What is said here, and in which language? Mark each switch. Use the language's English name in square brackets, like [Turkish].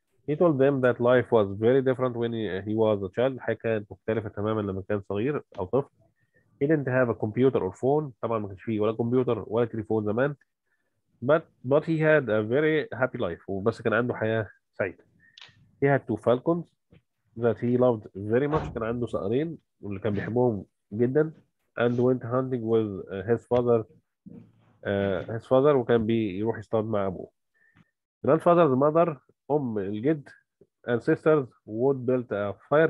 [English] He told them that life was very different when he was a child. [Arabic] الحياة كانت مختلفة تماما لما كان صغير أو طفل. [English] He didn't have a computer or phone. [Arabic] طبعا ما كانش فيه ولا كمبيوتر ولا تليفون زمان. [English] But he had a very happy life. [Arabic] وبس كان عنده حياة سعيدة. [English] He had two falcons that he loved very much. [Arabic] كان عنده صقرين واللي كان بيحبهم جدا. [English] And went hunting with his father. [Arabic] وكان بيروح يصطاد مع أبوه. [English] Grandfather's mother, [Arabic] أم الجد, [English] and sisters would build a fire.